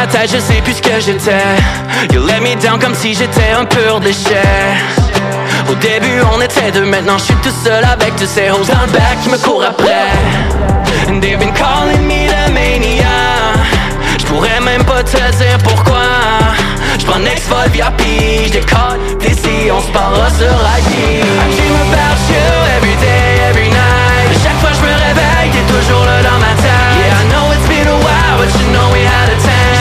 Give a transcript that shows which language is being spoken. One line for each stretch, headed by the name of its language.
French: Je sais plus ce que j'étais.
English: You let me down
French: comme si j'étais un pur déchet. Au début on était deux, maintenant je suis tout seul avec tous ces hoes dans le bac qui me courent après.
English: And they've been calling me the mania.
French: Je pourrais même pas te dire pourquoi. Je prends next vol VIP, je décolle d'ici, on se parlera sur IP.
English: I dream about you every day, every night.
French: Et chaque fois je me réveille, t'es toujours là dans ma tête.
English: Yeah, I know it's been a while, but you know we had a time.